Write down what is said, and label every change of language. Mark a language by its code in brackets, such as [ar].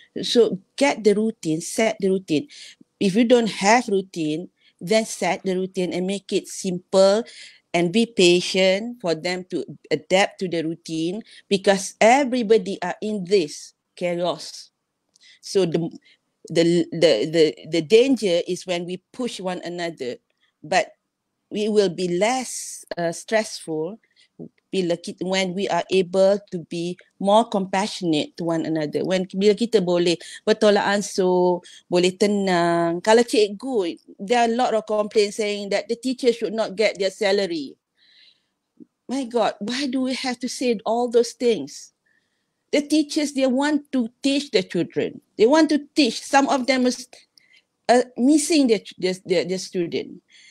[en] So get the routine, set the routine. If you don't have routine, then set the routine and make it simple and be patient for them to adapt to the routine, because everybody are in this chaos. So the danger is when we push one another, but we will be less stressful when we are able to be more compassionate to one another. [ms] When bila kita boleh bertolak ansur, boleh tenang. Kalau cikgu, [en] there are a lot of complaints saying that the teacher should not get their salary. My God, why do we have to say all those things? The teachers, they want to teach their children. They want to teach. Some of them are missing their student.